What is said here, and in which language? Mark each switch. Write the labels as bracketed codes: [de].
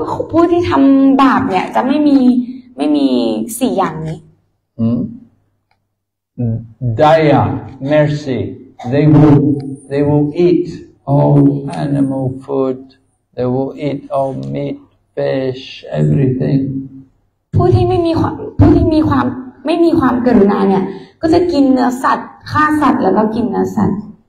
[th] ผู้ที่ทำบาปเนี่ยจะไม่มีสี่อย่างนี้ [en] Daya, mercy. They will eat all animal food. They will eat all meat, fish, everything. [th] ผู้ที่ไม่มีความกรุณาเนี่ยก็จะกินเนื้อสัตว์ฆ่าสัตว์แล้วก็กินเนื้อสัตว์